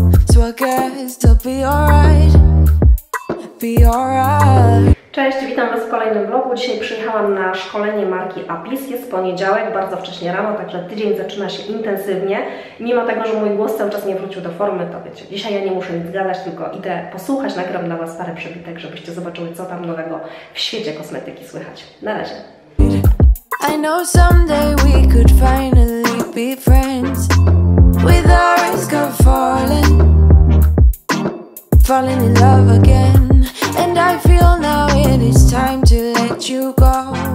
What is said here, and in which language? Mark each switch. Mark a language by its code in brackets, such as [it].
[en] So I guess it'll be alright. Be alright. [pl] Cześć, witam Was w kolejnym vlogu. Dzisiaj przyjechałam na szkolenie marki Apis. Jest poniedziałek, bardzo wcześnie rano, także tydzień zaczyna się intensywnie. Mimo tego, że mój głos cały czas nie wrócił do formy, to wiecie, dzisiaj ja nie muszę nic gadać, tylko idę posłuchać, nagram dla Was parę przebitek, żebyście zobaczyły, co tam nowego w świecie kosmetyki słychać. Na razie. [en] I know someday we could finally be friends. With our eyes got falling, falling in love again. And I feel now it is time to let you go.